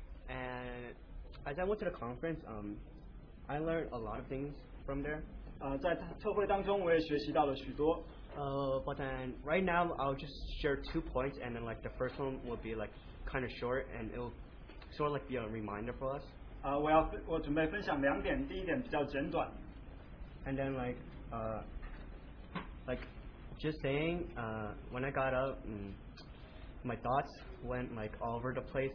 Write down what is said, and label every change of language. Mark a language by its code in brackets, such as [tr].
[en] And as I went to the conference, I learned a lot of things from there. [zh] 在特会当中我也学习到了许多。 [en] But then right now I'll just share two points, and then like the first one will be like kind of short, and it'll sort of like be a reminder for us. [zh] 我准备分享两点，第一点比较简短。 [en] And then like just saying, when I got up, my thoughts went like all over the place.